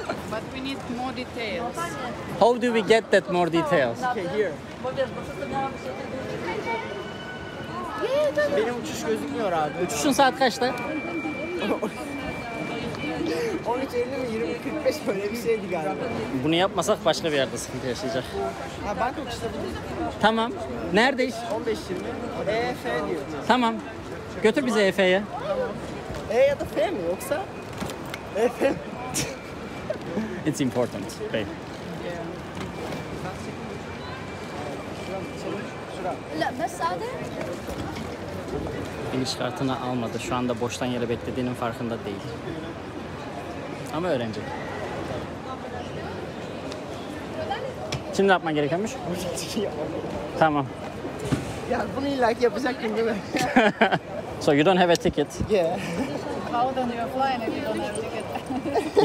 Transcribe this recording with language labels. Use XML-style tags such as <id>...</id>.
<en>But we need more details. How do we get that more details? Okay, here.</en> <tr>Benim uçuş gözükmüyor abi. Uçuşun saat kaçta? 13.50 mi 20.45 mi öyle bir şeydi galiba. Bunu yapmasak başka bir yerde sıkıntı yaşayacak. Ha, Bangkok işte bu. Tamam. Nerede iş? 15.20. EF diyor. Tamam. Götür bizi EF'ye. E ya da F mi yoksa? EF</tr> <en>mi? It's important. Babe.</en> <tr>İniş kartını almadı. Şu anda boştan yere beklediğinin farkında değil. Ama öğrenci. Şimdi ne yapman gerekenmiş? Tamam. Ya bunu illaki yapacaktım değil mi?</tr> <en>So you don't have a ticket. Yeah. How then you're flying if you don't have a ticket?</en>